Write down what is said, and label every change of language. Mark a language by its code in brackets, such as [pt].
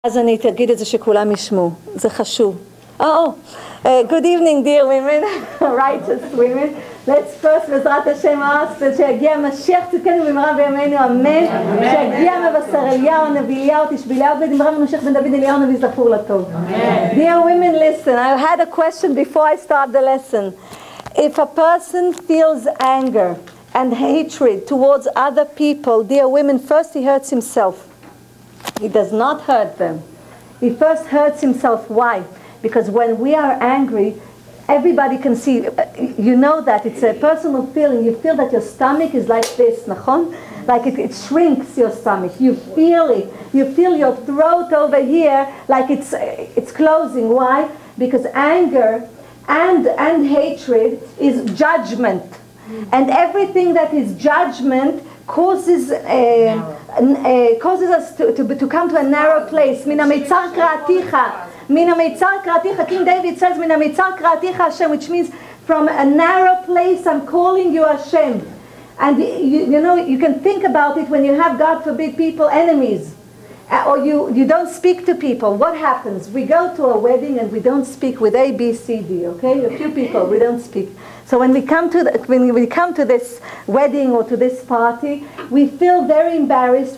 [he] אז אני תגיד את זה שכולם ישמעו, זה חשוב. [en] Oh, good evening, dear women, righteous women. Let's first, [he] בעזרת השם, [en] ask that [he] שיגיע משיח, צדקנו במהרה בימינו, אמן. שיגיע מבשר אליהו, הנביא אליהו, תשבי אליהו, במהרה ממשיך בן דוד אליהו, הנביא זכור לטוב. [en] Dear women, listen, I had a question before I start the lesson. If a person feels anger and hatred towards other people, dear women, first he hurts himself. He does not hurt them. He first hurts himself. Why? Because when we are angry, everybody can see, you know that, it's a personal feeling. You feel that your stomach is like this, [he] נכון? [en] Like it shrinks your stomach. You feel it. You feel your throat over here, like it's closing. Why? Because anger and hatred is judgment. And everything that is judgment causes us to come to a narrow place. [he] מן המיצר קראתיך, מן המיצר קראתיך, [en] King David says, [he] מן המיצר קראתיך השם, [en] which means from a narrow place I'm calling you Hashem. And you know, you can think about it when you have, God forbid, people, enemies, or you don't speak to people. What happens? We go to a wedding and we don't speak with A, B, C, D, okay? A few people, we don't speak. So when we come to this wedding or to this party, we feel very embarrassed.